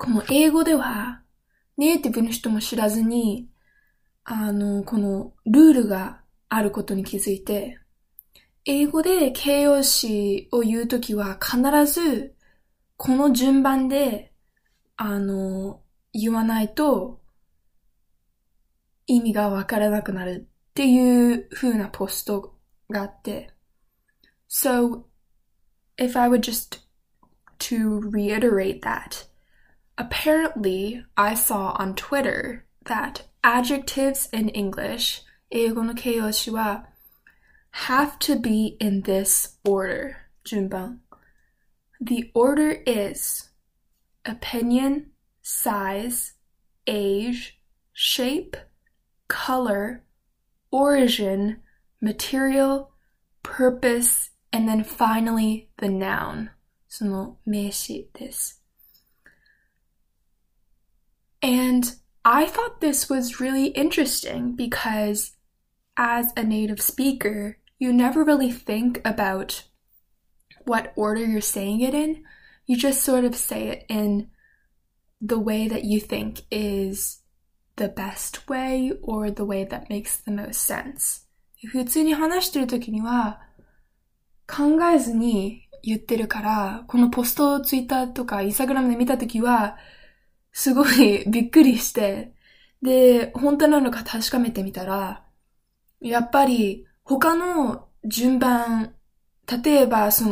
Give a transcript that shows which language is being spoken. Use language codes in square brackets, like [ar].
[ja] 英語では、ネイティブの人も知らずに、このルールがあることに気づいて、英語で形容詞を言うときは必ず、この順番で、言わないと意味がわからなくなるっていう風なポストがあって。 [en] So, if I would just to reiterate that, apparently I saw on Twitter that adjectives in English, [ja] 英語の形容詞は [en] have to be in this order, [ja] 順番。 [en] The order is opinion, size, age, shape, color, origin, material, purpose, and then finally the noun. [ja] その名詞です。 [en] And I thought this was really interesting because as a native speaker, you never really think about what order you're saying it in, you just sort of say it in the way that you think is the best way or the way that makes the most sense. [ja] 普通に話してるときには考えずに言ってるから、このポストをツイッターとかインスタグラムで見たときはすごいびっくりして、で、本当なのか確かめてみたら、やっぱり他の順番、例えば、